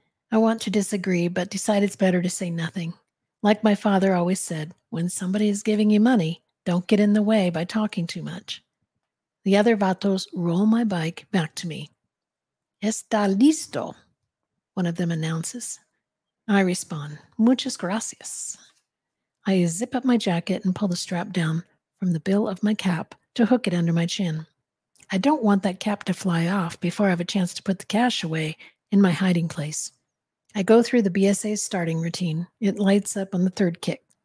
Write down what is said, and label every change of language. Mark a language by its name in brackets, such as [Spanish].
[English] I want to disagree, but decide it's better to say nothing. Like my father always said, when somebody is giving you money, don't get in the way by talking too much. The other vatos roll my bike back to me. [Spanish] Está listo, [English] one of them announces. I respond, [Spanish] muchas gracias. [English] I zip up my jacket and pull the strap down from the bill of my cap to hook it under my chin. I don't want that cap to fly off before I have a chance to put the cash away in my hiding place. I go through the BSA's starting routine. It lights up on the third kick.